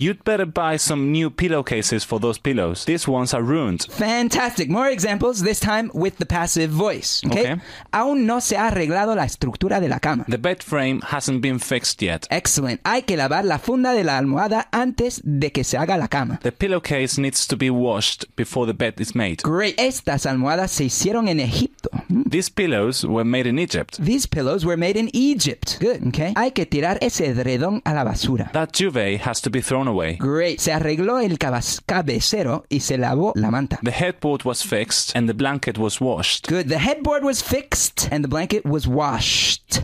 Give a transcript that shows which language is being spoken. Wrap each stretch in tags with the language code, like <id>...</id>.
<en>You'd better buy some new pillowcases for those pillows. These ones are ruined. Fantastic. More examples, this time with the passive voice. Okay? Okay.</en> <es>Aún no se ha arreglado la estructura de la cama.</es> <en>The bed frame hasn't been fixed yet. Excellent.</en> <es>Hay que lavar la funda de la almohada antes de que se haga la cama.</es> <en>The pillowcase needs to be washed before the bed is made.</en> <es>Great. Estas almohadas se hicieron en Egipto.</es> <en>These pillows were made in Egypt. These pillows were made in Egypt. Good. Okay.</en> <es>Hay que tirar ese edredón a la basura.</es> <en>That duvet has to be thrown away. Great.</en> <es>Se arregló el cabecero y se lavó la manta.</es> <en>The headboard was fixed and the blanket was washed. Good. The headboard was fixed and the blanket was washed.</en>